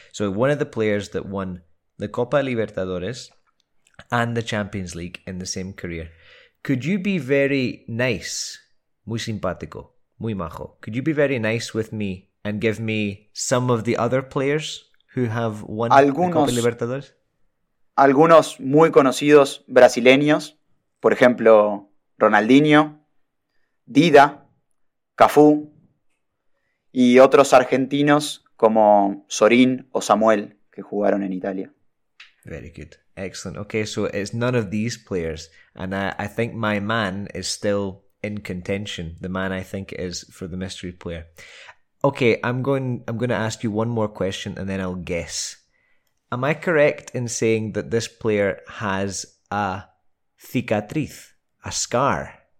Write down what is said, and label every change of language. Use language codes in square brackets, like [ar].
[en] So one of the players that won the Copa Libertadores and the Champions League in the same career. Could you be very nice, [es] muy simpático, muy majo? [en] Could you be very nice with me and give me some of the other players who have won [es] algunos, [en] the Copa Libertadores? [es] Algunos muy conocidos brasileños, por ejemplo, Ronaldinho, Dida, Cafú, y otros argentinos como Sorín o Samuel, que jugaron en Italia. [en] Very good. Excellent. Okay, so it's none of these players. And I think my man is still in contention. The man I think is for the mystery player. Okay, I'm going to ask you one more question and then I'll guess. Am I correct in saying that this player has a cicatriz, a scar?